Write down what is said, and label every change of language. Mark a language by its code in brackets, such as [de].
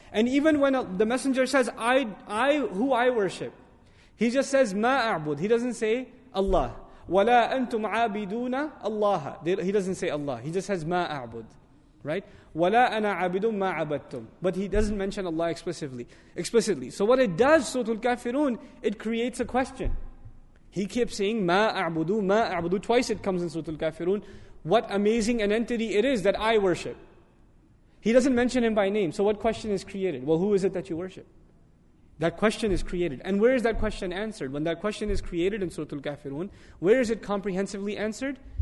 [en] And even when the Messenger says, I who I worship, he just says, [ar] مَا أَعْبُدُ. [en] He doesn't say Allah. [ar] وَلَا أَنْتُمْ عَابِدُونَ اللَّهَ. [en] He doesn't say Allah. He just says, [ar] مَا أَعْبُدُ. [en] Right? [ar] وَلَا أَنَا عَبِدٌ مَا عَبَدْتُمْ. [en] But he doesn't mention Allah explicitly. So what it does, Surah Al-Kafirun, it creates a question. He keeps saying, [ar] مَا أَعْبُدُ, مَا أَعْبُدُ. [en] Twice it comes in Surah Al-Kafirun. What amazing an entity it is that I worship. He doesn't mention him by name. So what question is created? Well, who is it that you worship? That question is created. And where is that question answered? When that question is created in Surah Al-Kafirun, where is it comprehensively answered?